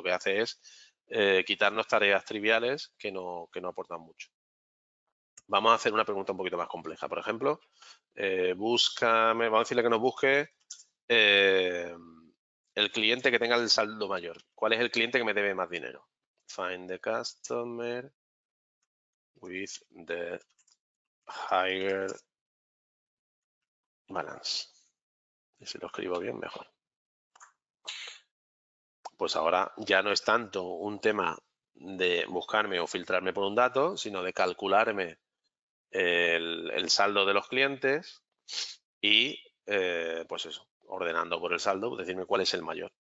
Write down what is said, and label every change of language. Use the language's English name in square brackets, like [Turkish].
[Spanish] Lo que hace es quitarnos tareas triviales que no aportan mucho. Vamos a hacer una pregunta un poquito más compleja. Por ejemplo, búscame, vamos a decirle que nos busque el cliente que tenga el saldo mayor. ¿Cuál es el cliente que me debe más dinero? [English] Find the customer with the higher balance. [Spanish] Y si lo escribo bien, mejor. Pues ahora ya no es tanto un tema de buscarme o filtrarme por un dato, sino de calcularme el saldo de los clientes. Y pues eso, ordenando por el saldo, decirme cuál es el mayor.